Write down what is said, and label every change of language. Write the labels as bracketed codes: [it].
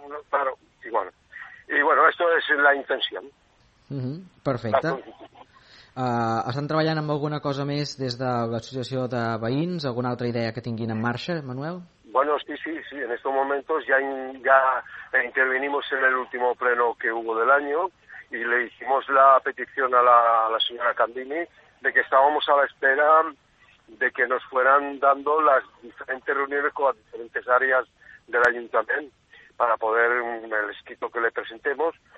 [es] Claro, y bueno, esto es la intención. [ca] Perfecte. Estan treballant amb alguna cosa més des de l'associació de veïns, alguna altra idea que tinguin en marxa, Manuel? [es] Bueno, sí, en estos momentos ya intervenimos en el último pleno que hubo del año y le hicimos la petición a la señora Candini de que estábamos a la espera de que nos fueran dando las diferentes reuniones con las diferentes áreas del ayuntamiento para poder el escrito que le presentemos.